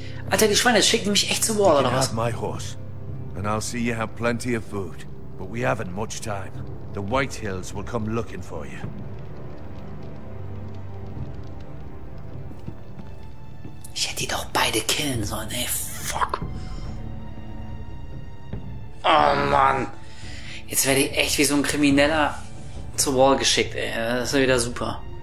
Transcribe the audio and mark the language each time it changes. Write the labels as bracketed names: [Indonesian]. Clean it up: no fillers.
[German] Alter, die Schweine, schicken mich echt zur Wall, oder was? [English] You can have my horse. And I'll see you have plenty of food. But we haven't much time. The White Hills will come looking for you. [German] Ich hätte die doch beide killen sollen, ey. Fuck. Oh, Mann. Jetzt werde ich echt wie so ein Krimineller zur Wall geschickt, ey. Das ist wieder super.